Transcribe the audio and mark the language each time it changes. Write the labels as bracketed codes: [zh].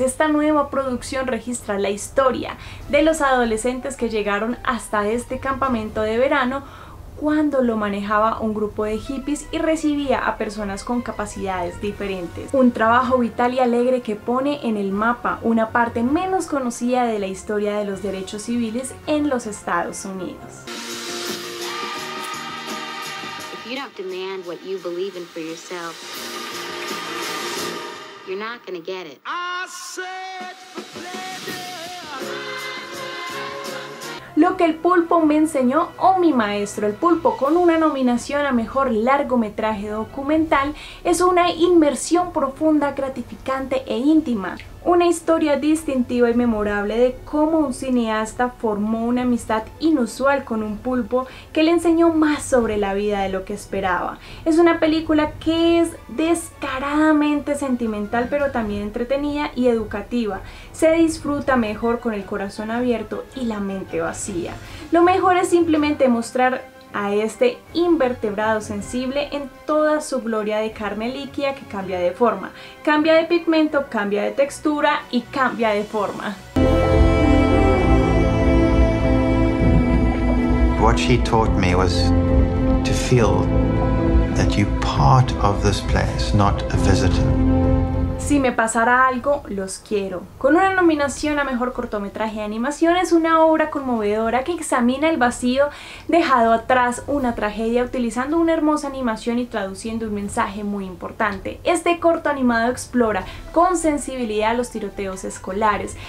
[es] Esta nueva producción registra la historia de los adolescentes que llegaron hasta este campamento de verano cuando lo manejaba un grupo de hippies y recibía a personas con capacidades diferentes. Un trabajo vital y alegre que pone en el mapa una parte menos conocida de la historia de los derechos civiles en los Estados Unidos. [en] If you don't demand what you believe in for yourself, you're not gonna get it. [es] Lo que el pulpo me enseñó o mi maestro el pulpo, con una nominación a mejor largometraje documental, es una inmersión profunda, gratificante e íntima. Una historia distintiva y memorable de cómo un cineasta formó una amistad inusual con un pulpo que le enseñó más sobre la vida de lo que esperaba. Es una película que es descaradamente sentimental, pero también entretenida y educativa. Se disfruta mejor con el corazón abierto y la mente vacía. Lo mejor es simplemente mostrar a este invertebrado sensible en toda su gloria de carne líquida que cambia de forma, cambia de pigmento, cambia de textura y cambia de forma. [en] What she taught me was to feel that you're part of this place, not a visitor. [es] Si me pasara algo, los quiero. Con una nominación a mejor cortometraje de animación, es una obra conmovedora que examina el vacío dejado atrás una tragedia utilizando una hermosa animación y traduciendo un mensaje muy importante. Este corto animado explora con sensibilidad los tiroteos escolares.